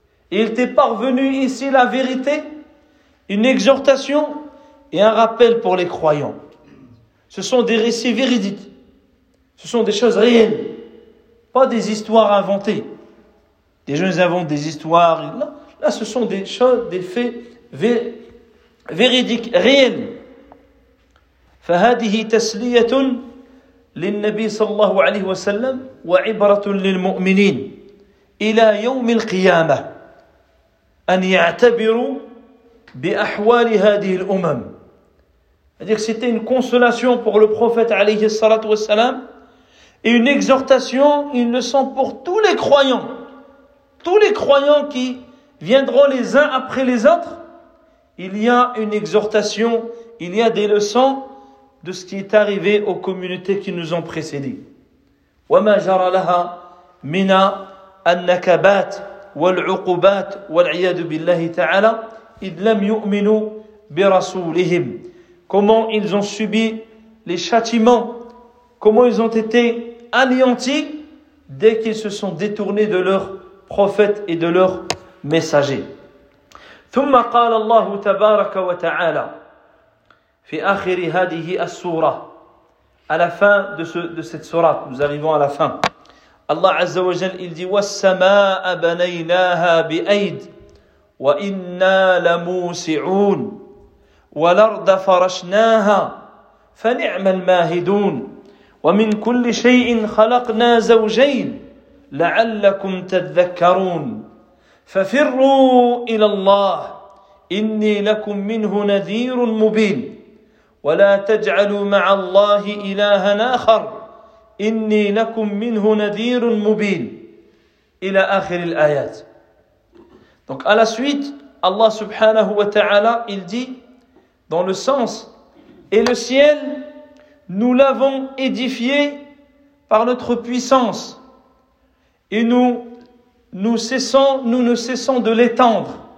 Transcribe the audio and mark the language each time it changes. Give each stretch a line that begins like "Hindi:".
French: Il t'est parvenu ici la vérité, une exhortation et un rappel pour les croyants. Ce sont des récits véridiques. Ce sont des choses réelles. Pas des histoires inventées. Des gens inventent des histoires. Là, ce sont des choses, des faits véridiques, réels.
Arabic: فهذه تسلية للنبي صلى الله عليه وسلم وعبرة للمؤمنين إلى يوم القيامة أن يعتبروا بأحوال هذه الأمم.
French: C'était une consolation pour le prophète عليه الصلاة والسلام et une exhortation, une leçon pour tous les croyants qui viendront les uns après les autres. Il y a une exhortation, il y a des leçons de ce qui est arrivé aux communautés qui nous ont précédés.
Arabic: وَمَا جَرَ لَهَا مِنَا النَّكَبَاتِ وَالْعُقُوبَاتِ وَالْعِيَادُ بِاللَّهِ تَعَالَى إِذْ لَمْ يُؤْمِنُوا بِرَسُولِهِمْ.
French: Comment ils ont subi les châtiments, comment ils ont été anéantis dès qu'ils se sont détournés de leurs prophètes et de leurs messagers.
Arabic: ثُمَّ قَالَ اللَّهُ تَبَارَكَ وَتَعَالَى في آخر هذه السورة
French: à la fin de, ce, de cette sourate, nous arrivons à la fin.
Arabic: Allah Azza wa Jal,
French: il dit
Arabic: « وَالسَّمَاءَ بَنَيْنَاهَا بِأَيْدٍ وَإِنَّا لَمُوسِعُونَ وَلَرْدَ فَرَشْنَاهَا فَنِعْمَ الْمَاهِدُونَ وَمِنْ كُلِّ شَيْءٍ خَلَقْنَا زَوْجَيْنَ لَعَلَّكُمْ تَذَّكَّرُونَ فَفِرُّوا إِلَى اللَّهِ إِنِّي لَكُمْ مِنْهُ نَذِيرٌ مُبِينٌ وَلَا تَجْعَلُوا مَعَ اللَّهِ إِلَهًا آخَرَ إِنِّي لَكُمْ مِنْهُ نَذِيرٌ مُبِينٌ إلى آخر الآيات.
French: Donc à la suite, Allah subhanahu wa ta'ala, il dit dans le sens, et le ciel, nous l'avons édifié par notre puissance et nous ne cessons de l'étendre.